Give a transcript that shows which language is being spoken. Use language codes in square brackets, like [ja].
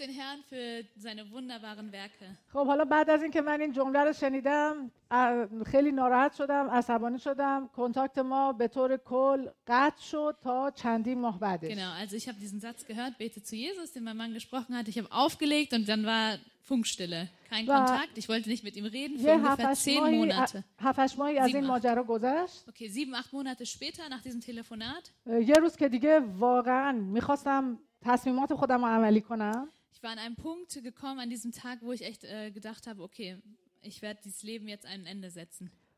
[de] den Herrn für seine wunderbaren Werke. [fa] خب حالا بعد از اینکه من این جمله رو شنیدم خیلی ناراحت شدم، عصبانی شدم. کنتاکت ما به طور کل قطع شد تا چندین ماه بعدش. [de] Genau, also ich habe diesen Satz gehört, bete zu Jesus, den mein Mann gesprochen hat. Ich habe aufgelegt und dann war Funkstille. Kein Kontakt. Ich wollte nicht mit ihm reden für ungefähr 10 Monate. [fa] 7-8 ماهی از این ماجرا گذشت. [de] Okay, 7-8 Monate später nach diesem Telefonat. [fa] یه روز که دیگه واقعاً می‌خواستم تصمیمات خودم رو عملی کنم. [de] Ich war an einem Punkt gekommen an diesem Tag, wo ich echt gedacht habe, okay, ich werde dieses Leben jetzt ein Ende setzen.